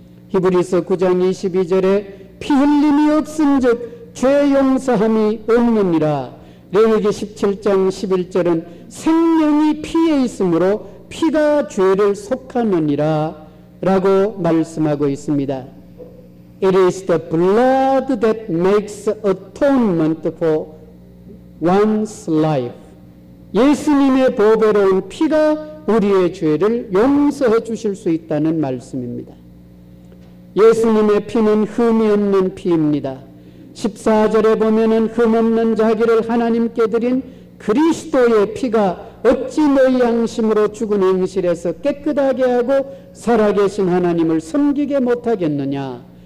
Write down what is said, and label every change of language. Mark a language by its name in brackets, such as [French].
[Korean] 히브리서 9장 22절에 피 흘림이 없은즉 죄 용서함이 없느니라. 레위기 17장 11절은 생명이 피에 있으므로 피가 죄를 속하느니라 라고 말씀하고 있습니다. [English] It is the blood that makes atonement for one's life. [Korean] 예수님의 보배로운 피가 우리의 죄를 용서해 주실 수 있다는 말씀입니다. 예수님의 피는 흠이 없는 피입니다. 14절에 보면은 흠 없는 자기를 하나님께 드린 그리스도의 피가 어찌 너희 양심으로 죽은 행실에서 깨끗하게 하고 살아계신 하나님을 섬기게 못하겠느냐.